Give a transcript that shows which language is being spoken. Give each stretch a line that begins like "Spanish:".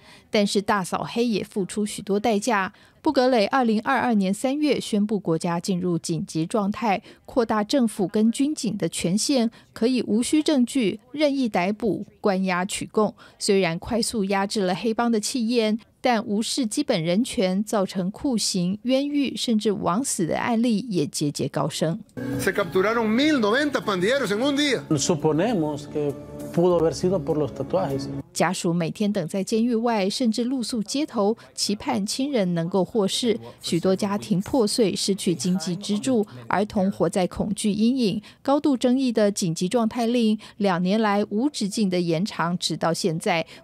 Chinese: 但是大扫黑也付出许多代价。布格雷2022年3月宣布国家进入紧急状态，扩大政府跟军警的权限，可以无需证据任意逮捕、关押、取供。虽然快速压制了黑帮的气焰，但无视基本人权，造成酷刑、冤狱甚至枉死的案例也节节高升。
Spanish: Se capturaron 1090 pandilleros en un día. Suponemos que pudo haber sido por los tatuajes.
Chinese: 家属每天等在监狱外，甚至露宿街头，期盼亲人能够获释。许多家庭破碎，失去经济支柱，儿童活在恐惧阴影。高度争议的紧急状态令，两年来无止境的延长，直到现在。